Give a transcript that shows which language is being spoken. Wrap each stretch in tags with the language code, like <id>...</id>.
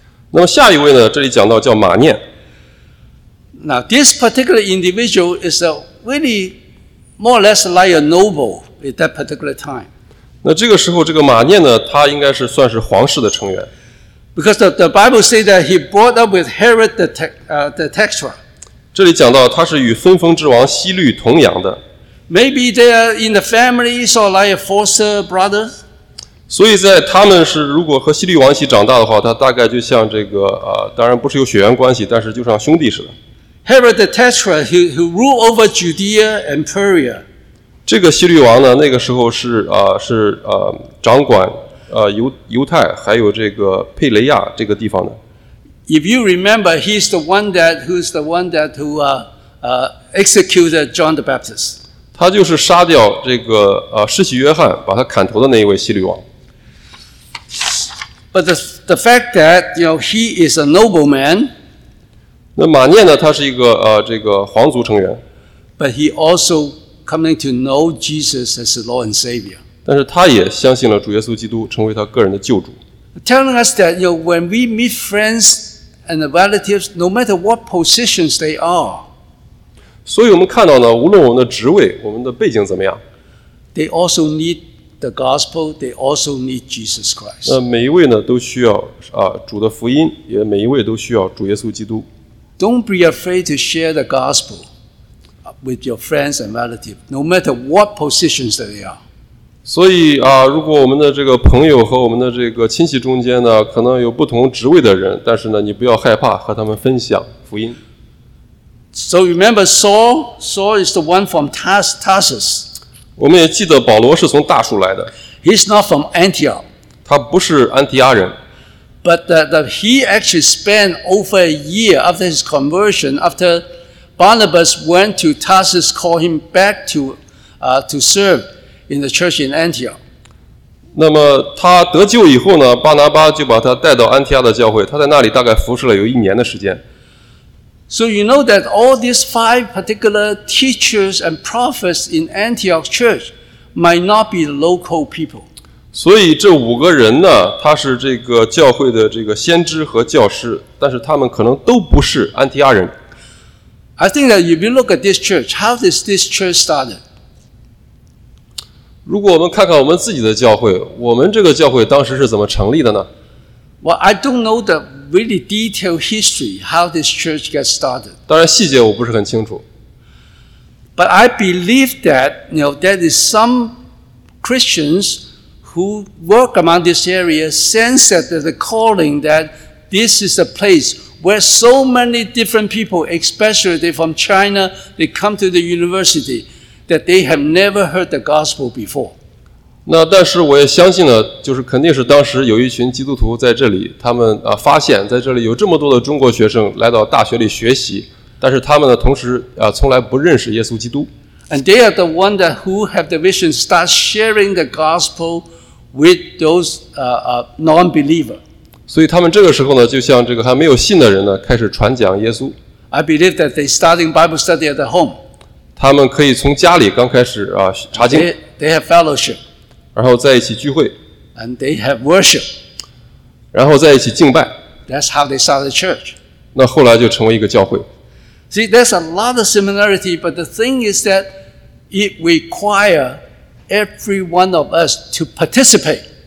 <zh>那么下一位呢，这里讲到叫马念。</zh> <en>Now this particular individual is a really more or less like a noble at that particular time.</en> <zh>那这个时候这个马念呢，他应该是算是皇室的成员。</zh> <en>Because the Bible says that he brought up with Herod the tetrarch.</en> <zh>这里讲到他是与分封之王希律同养的。</zh> <en>Maybe they are in the family, so like a foster brother.</en> <zh>所以在他们是如果和希律王一起长大的话，他大概就像这个当然不是有血缘关系，但是就像兄弟似的。</zh> <en>Herod the tetrarch, who ruled over Judea and Perea.</en> <zh>这个希律王呢，那个时候是掌管犹太还有这个佩雷亚这个地方的。</zh> <en>If you remember, he's the one who executed John the Baptist.</en> <zh>他就是杀掉这个施洗约翰，把他砍头的那一位希律王。</zh> <en>But the fact that you know he is a nobleman.</en> <zh>那马念呢？他是一个这个皇族成员。</zh> <en>But he also coming to know Jesus as Lord and Savior.</en> <zh>但是他也相信了主耶稣基督，成为他个人的救主。</zh> <en>Telling us that you know when we meet friends and relatives, no matter what positions they are.</en> <zh>所以我们看到呢，无论我们的职位，我们的背景怎么样。</zh> <en>They also need the gospel. They also need Jesus Christ.</en> <zh>那每一位呢，都需要主的福音，也每一位都需要主耶稣基督。</zh> <en>Don't be afraid to share the gospel with your friends and relatives, no matter what positions they are.</en> <zh>所以如果我们的这个朋友和我们的这个亲戚中间呢，可能有不同职位的人，但是呢，你不要害怕和他们分享福音。</zh> <en>So remember Saul is the one from Tarsus.</en> <zh>我们也记得保罗是从大树来的。</zh> <en>He's not from Antioch.</en> <zh>他不是安提阿人。</zh> <en>But he actually spent over a year after his conversion, after Barnabas went to Tarsus, called him back to serve in the church in Antioch.</en> <zh>那么他得救以后呢，巴拿巴就把他带到安提阿的教会，他在那里大概服侍了有一年的时间。</zh> <en>So you know that all these five particular teachers and prophets in Antioch church might not be local people.</en> <zh>所以这五个人呢，他是这个教会的这个先知和教师，但是他们可能都不是安提阿人。</zh> <en>I think that if you look at this church, how does this church started?</en> <zh>如果我们看看我们自己的教会，我们这个教会当时是怎么成立的呢？</zh> <en>Well, I don't know the really detailed history how this church got started.</en> <zh>当然细节我不是很清楚。</zh> <en>But I believe that, you know, there is some Christians who work among this area sense that the calling that this is a place where so many different people, especially from China, they come to the university that they have never heard the gospel before.</en> <zh>那但是我也相信呢，就是肯定是当时有一群基督徒在这里，他们发现在这里有这么多的中国学生来到大学里学习，但是他们呢同时从来不认识耶稣基督。</zh> <en>And they are the ones that who have the vision start sharing the gospel with those non-believers.</en> <zh>所以他们这个时候呢，就像这个还没有信的人呢，开始传讲耶稣。</zh> <en>I believe that they starting Bible study at home.</en> <zh>他们可以从家里刚开始查经。</zh> <en>They have fellowship.</en> <zh>然后在一起聚会。</zh> <en>And they have worship.</en> <zh>然后在一起敬拜。</zh> <en>That's how they start the church.</en> <zh>那后来就成为一个教会。</zh> <en>See, there's a lot of similarity, but the thing is that it require every one of us to participate.</en>